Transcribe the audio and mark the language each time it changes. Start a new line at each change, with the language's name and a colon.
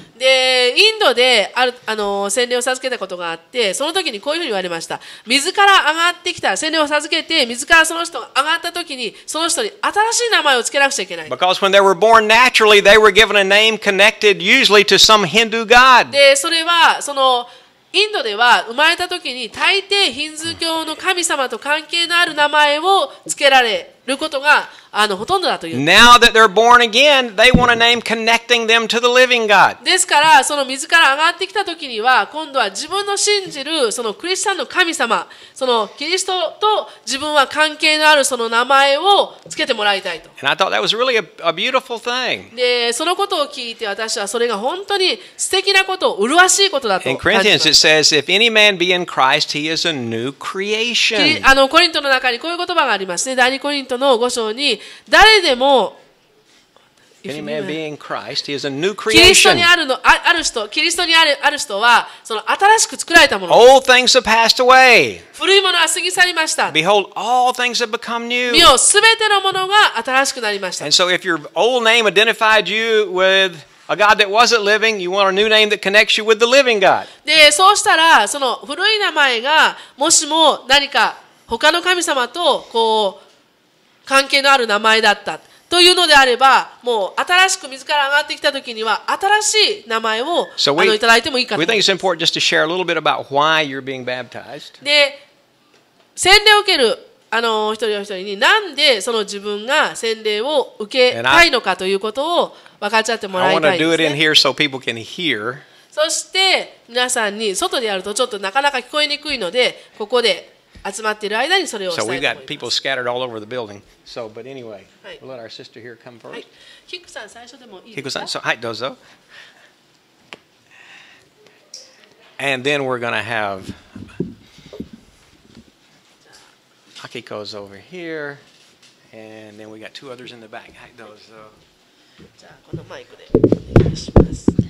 Japanese: で、インドで洗礼を授けたことがあって、その時にこういうふうに言われました。水から上がってきた、洗礼を授けて、水からその人が上がった時に、その人に新しい名前を付けなくちゃいけない。
English: Because when they were born naturally, they were given a name connected usually to some Hindu god.
Japanese: で、それはその、インドでは生まれた時に大抵ヒンズー教の神様と関係のある名前を付けられることがほとんどだという。
English: Now that they're born again, they want a name connecting them to the living God.
Japanese: ですから、その水から上がってきた時には、今度は自分の信じるそのクリスチャンの神様、そのキリストと自分は関係のあるその名前を付けてもらいたいと。
English: And I thought that was really a beautiful thing.
Japanese: で、そのことを聞いて私はそれが本当に素敵なこと、麗しいことだと感じました。
English: In Corinthians it says, if any man be in Christ, he is a new creation.
Japanese: コリントの中にこういう言葉がありますね。第二コリントの5章に誰でもキリストにある人、キリストにある人はその新しく作られたもの。
English: Old things have passed away.
Japanese: 古いものは過ぎ去りました。
English: Behold, all things have become new.
Japanese: 見よ、すべてのものが新しくなりました。
English: And so if your old name identified you with a God that wasn't living, you want a new name that connects you with the living God.
Japanese: で、そうしたらその古い名前がもしも何か他の神様とこう関係のある名前だったというのであれば、もう新しく自ら上がってきたときには、新しい名前を、
English: so、we,
Japanese: いただいてもいいかと。
English: We think it's important just to share a little bit about why you're being baptized.
Japanese: で、洗礼を受ける一人一人に、なんでその自分が洗礼を受けたいのかということを分かっちゃってもらいたいですね。
English: I want to do it in here so people can hear.
Japanese: そして、皆さんに外でやるとちょっとなかなか聞こえにくいので、ここで集まっている間にそれをしたいと思います。
English: So we've got people scattered all over the building. So, but anyway, we'll let our sister here come first.
Japanese: Kiku-san, 最初でもいいですか? Kiku-san, so, はい、どうぞ。
English: And then we're going to have Akiko's over here. And then we got two others in the back.
Japanese: はい、どうぞ。じゃあ、このマイクでお願いします。